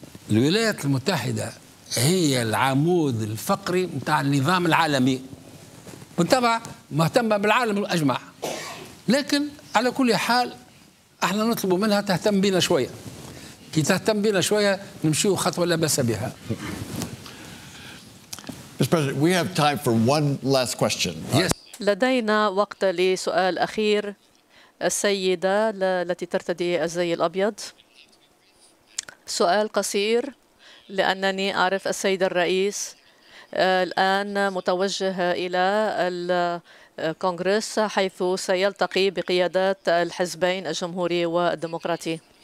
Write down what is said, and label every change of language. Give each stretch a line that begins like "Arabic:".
Arabic: الولايات المتحده هي العمود الفقري نتاع النظام العالمي، بالطبع مهتمه بالعالم الاجمع. لكن على كل حال احنا نطلب منها تهتم بنا شويه، كي تهتم بنا شوية نمشيو خطوة لا بأس بها.
English: Mr. President, we have time for one last question. Yes.
Arabic: لدينا وقت لسؤال أخير. السيدة التي ترتدي الزي الأبيض، سؤال قصير لأنني أعرف السيد الرئيس. الآن متوجه إلى الكونغرس حيث سيلتقي بقيادات الحزبين الجمهوري والديمقراطي.